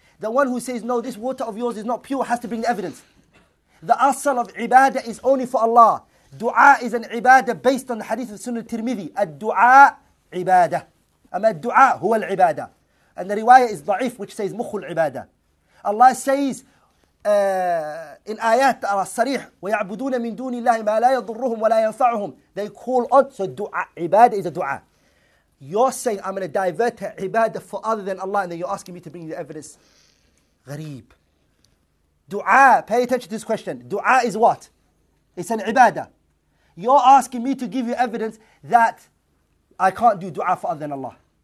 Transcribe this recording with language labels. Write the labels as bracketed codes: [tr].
[en] The one who says, no, this water of yours is not pure, has to bring the evidence. The asal of ibadah is only for Allah. Dua is an ibadah based on the hadith of Sunnah Tirmidhi. Ad-dua, ibadah. [ar] Am ad-dua, huwa al-ibadah. [en] And the riwayah is da'if, which says mukhu al-ibadah. Allah says in ayat that are sarih, [ar] وَيَعْبُدُونَ مِن دُونِ اللَّهِ مَا لَا يَضُرُّهُمْ وَلَا يَنْفَعُهُمْ. [en] They call on, so dua, ibadah is a dua. You're saying I'm going to divert ibadah for other than Allah, and then you're asking me to bring the evidence. Ghareeb. Dua, pay attention to this question. Dua is what? It's an ibadah. You're asking me to give you evidence that I can't do dua for other than Allah.